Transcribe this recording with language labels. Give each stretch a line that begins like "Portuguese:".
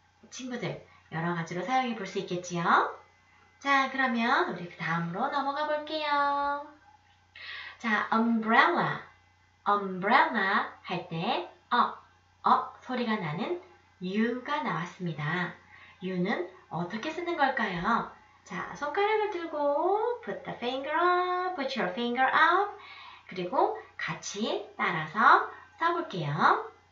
Korean: 친구들, 여러 가지로 사용해 볼수 있겠지요? 자, 그러면 우리 그 다음으로 넘어가 볼게요. 자, umbrella. umbrella 할 때, 소리가 나는 U가 나왔습니다. you는 어떻게 쓰는 걸까요? 자, 손가락을 들고
English: put the finger up,
Korean: put your finger up. 그리고 같이 따라서 써볼게요.